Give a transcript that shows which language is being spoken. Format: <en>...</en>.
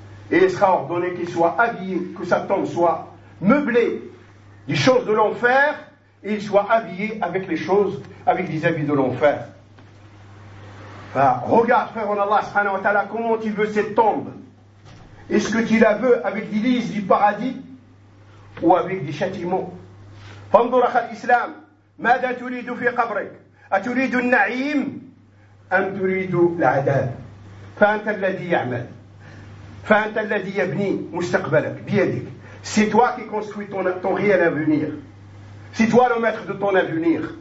<fr>Et il sera ordonné qu'il soit habillé, que sa tombe soit meublée des choses de l'enfer, et il soit habillé avec les choses, avec les habits de l'enfer. Alors, regarde, frère en Allah, subhanahu wa ta'ala, comment tu veux cette tombe? Est-ce que tu la veux avec l'église du paradis ou avec des châtiments?</fr> <ar>فانظر اخي الاسلام ماذا تريد في قبرك اتريد النعيم ام تريد العذاب فانت الذي يعمل فانت الذي يبني مستقبلك بيدك.</ar> <fr>C'est toi qui construis ton réel avenir. C'est toi le maître de ton avenir.</fr>